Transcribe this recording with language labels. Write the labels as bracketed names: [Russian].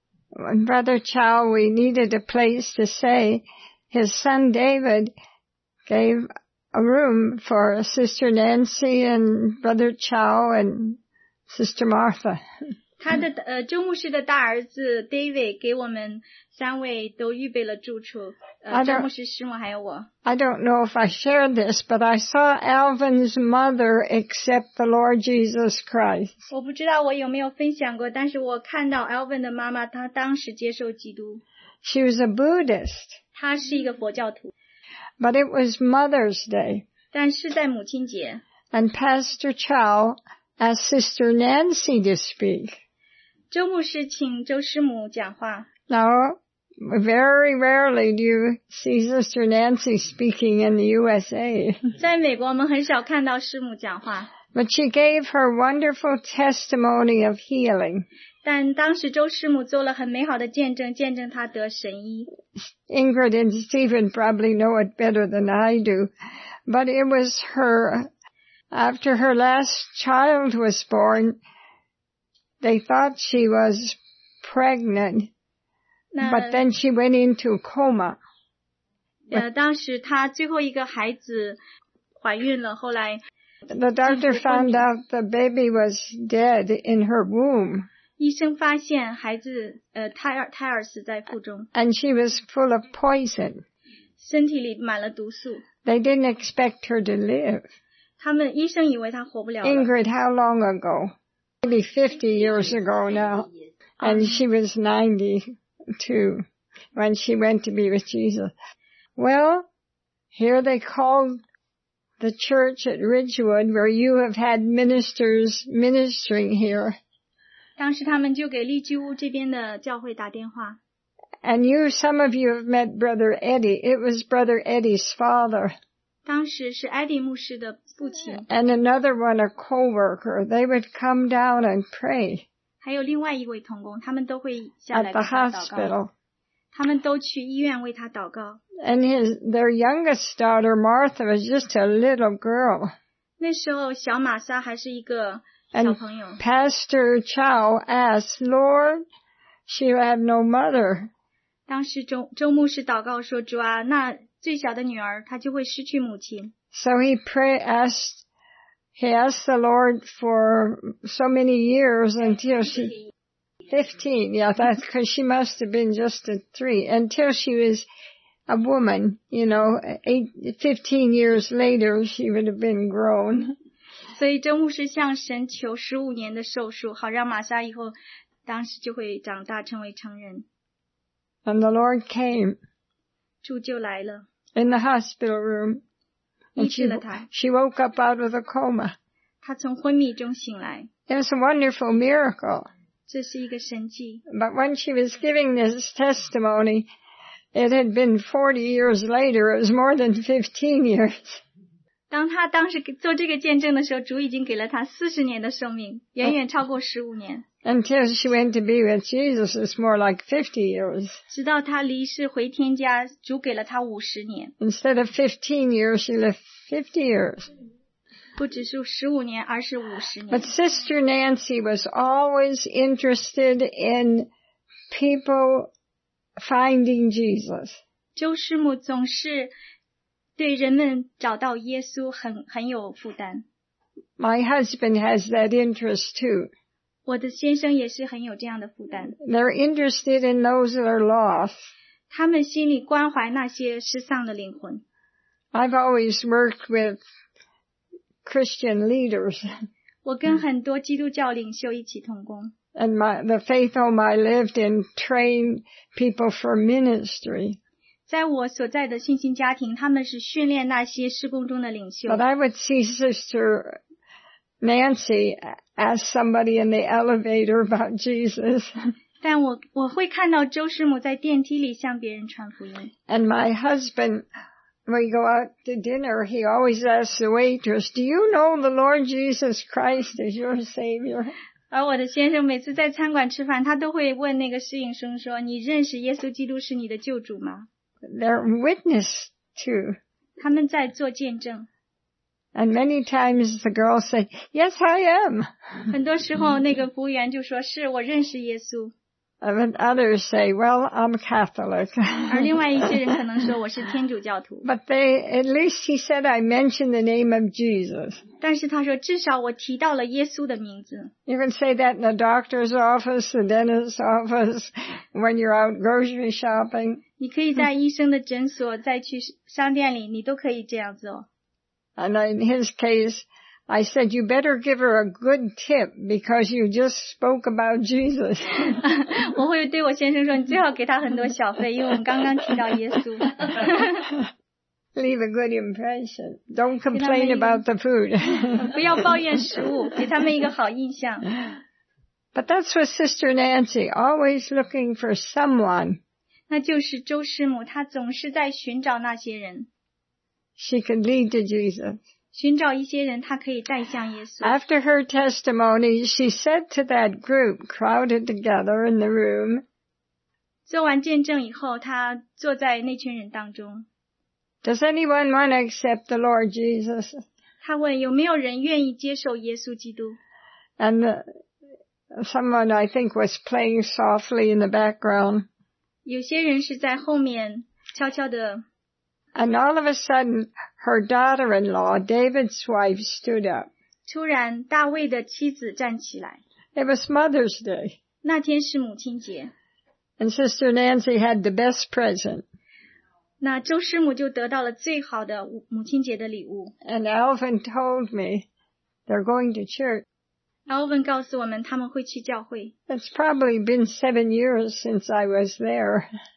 [English] And Brother Chow, we needed a place to stay. His son David gave a room for Sister Nancy and Brother Chow and Sister Martha. [Chinese] 他的周牧师的大儿子 David 给我们三位都预备了住处。周牧师、师母还有我。 [English] I don't know if I shared this, but I saw Alvin's mother accept the Lord Jesus Christ. [Chinese] 我不知道我有没有分享过，但是我看到 Alvin 的妈妈，她当时接受基督。 [English] She was a Buddhist. [Chinese] 她是一个佛教徒。 [English] But it was Mother's Day. [Chinese] 但是在母亲节。 [English] And Pastor Chow. Ask Sister Nancy to speak. [Chinese] 周牧师请周师母讲话。 [English] Now, very rarely do you see Sister Nancy speaking in the USA. [Chinese] 在美国我们很少看到师母讲话。 [English] But she gave her wonderful testimony of healing. [Chinese] 但当时周师母做了很美好的见证，见证她得神医。 [English] Ingrid and Stephen probably know it better than I do, but it was herAfter her last child was born, they thought she was pregnant, but then she went into coma. [Chinese] 当时她最后一个孩子怀孕了，后来。 [English] The doctor found out the baby was dead in her womb. [Chinese] 医生发现孩子胎儿死在腹中。 [English] And she was full of poison. [Chinese] 身体里满了毒素。 [English] They didn't expect her to live. [Chinese] 他们医生以为他活不 了。 [English] Ingrid, how long ago? Maybe 50 years ago now. And she was 92 when she went to be with Jesus. Well, here they called the church at Ridgewood where you have had ministers ministering here. [Chinese] 当时他们就给利基屋这边的教会打电话。 [English] And you, some of you have met Brother Eddie. It was Brother Eddie's father. [Chinese] 当时是艾迪牧师的父亲。 [English] And another one, a co-worker, they would come down and pray. [Chinese] 还有另外一位同工，他们都会下来给他祷告。 [English] At the hospital. [Chinese] 他们都去医院为他祷告。 [English] And their youngest daughter, Martha, was just a little girl. [Chinese] 那时候小玛莎还是一个小朋友。 [English] And Pastor Chow asked, Lord, she had no mother. [Chinese] 当时周牧师祷告说，主啊，那最小的女儿她就会失去母亲。 [English] So he asked the Lord for so many years until she 15, yeah, that's because she must have been just a three, until she was a woman, you know, 15 years later she would have been grown. [Chinese] 所以周牧师向神求15年的寿数，好让玛莎以后当时就会长大成为成人。 [English] And the Lord came. [Chinese] 主就来了。 [English] In the hospital room, and she woke up out of the coma. [Chinese] 她从昏迷中醒来。 [English] It was a wonderful miracle. [Chinese] 这是一个神迹。 [English] But when she was giving this testimony, it had been 40 years later. It was more than 15 years. [Chinese] 当她当时做这个见证的时候，主已经给了她40年的寿命，远远超过15年。 [English] Until she went to be with Jesus, it's more like 50 years. [Chinese] 直到她离世回天家，主给了她50年。 [English] Instead of 15 years, she lived 50 years. [Chinese] 不只是15年，而是50年。 [English] But Sister Nancy was always interested in people finding Jesus. [Chinese] 周师母总是对人们找到耶稣很有负担。 [English] My husband has that interest too. [Chinese] 我的先生也是很有这样的负担。 [English] They're interested in those that are lost. [Chinese] 他们心里关怀那些失丧的灵魂。 [English] I've always worked with Christian leaders. [Chinese] 我跟很多基督教领袖一起同工。 [English] And the faith home I lived in trained people for ministry. [Chinese] 在我所在的信心家庭，他们是训练那些事工中的领袖。 [English] But I would see Sister Nancy ask somebody in the elevator about Jesus. [Chinese] 但我会看到周师母在电梯里向别人传福音。 [English] And my husband, when we go out to dinner, he always asks the waitress, "Do you know the Lord Jesus Christ as your Savior?" [Chinese] 而我的先生每次在餐馆吃饭，他都会问那个侍应生说：“你认识耶稣基督是你的救主吗？” [English] They're witness too. [Chinese] 他们在做见证。 [English] And many times the girl say, "Yes, I am." [Chinese] 很多时候那个服务员就说：“是，我认识耶稣。” [English] And others say, "Well, I'm Catholic." [Chinese] 而另外一些人可能说：“我是天主教徒。” [English] But at least he said, "I mentioned the name of Jesus." [Chinese] 但是他说：“至少我提到了耶稣的名字。” [English] You can say that in the doctor's office, the dentist's office, when you're out grocery shopping. [Chinese] 你可以在医生的诊所，再去商店里，你都可以这样做。 [English] And in his case, I said, "You better give her a good tip because you just spoke about Jesus." [Chinese] 我会对我先生说，你最好给他很多小费，因为我们刚刚提到耶稣。 [English] Leave a good impression. Don't complain about the food. [Chinese] 不要抱怨食物，给他们一个好印象。 [English] But that's what Sister Nancy always looking for someone. [Chinese] 那就是周师母，她总是在寻找那些人。 [English] She can lead to Jesus. [Chinese] 寻找一些人，她可以带向耶稣。 [English] After her testimony, she said to that group crowded together in the room. [Chinese] 做完见证以后，她坐在那群人当中。 [English] Does anyone want to accept the Lord Jesus? [Chinese] 她问有没有人愿意接受耶稣基督。 [English] And someone I think was playing softly in the background. [Chinese] 有些人是在后面悄悄地。 [English] And all of a sudden, her daughter-in-law, David's wife, stood up. [Chinese] 突然，大卫的妻子站起来。 [English] It was Mother's Day. [Chinese] 那天是母亲节。 [English] And Sister Nancy had the best present. [Chinese] 那周师母就得到了最好的母亲节的礼物。 [English] And Alvin told me they're going to church. [Chinese] Alvin 告诉我们他们会去教会。 [English] It's probably been 7 years since I was there.